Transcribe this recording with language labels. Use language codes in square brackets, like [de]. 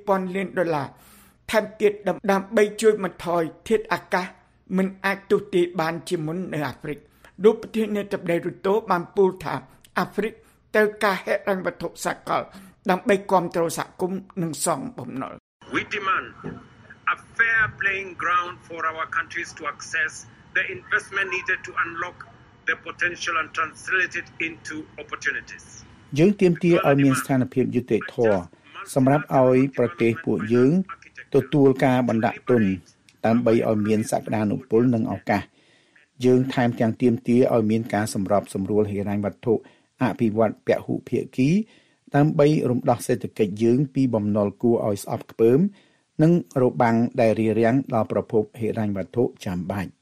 [km] $200,000,000ថែមទៀតដើម្បីជួយបន្ថយធាតុអាកាសមិនអាចទុះទាយបានជាមុននៅអាហ្វ្រិកលោកប្រធានាធិបតីរុតូបានពោលថាអាហ្វ្រិកតៅការហិរញ្ញវត្ថុសកលដើម្បីគាំទ្រសហគមន៍និងសងបំណុល [en] We demand a fair playing ground for our countries to access the investment needed to unlock the potential and translate it into opportunities [km] យើងទាមទារឲ្យមានស្ថានភាពយុត្តិធម៌សម្រាប់ឲ្យប្រទេសពួកយើងទទួលការបណ្ដាក់ទុនដើម្បីឲ្យមានសក្តានុពលនិងឱកាសយើងថែមទាំងទាមទារឲ្យមានការសម្របសម្រួលហិរញ្ញវត្ថុអភិវឌ្ឍពហុភាគីដើម្បីរំដោះសេដ្ឋកិច្ចយើងពីបំណុលគួរឲ្យស្អប់ខ្ពើមនិងរបាំងដែលរារាំងដល់ប្រភពហិរញ្ញវត្ថុចាំបាច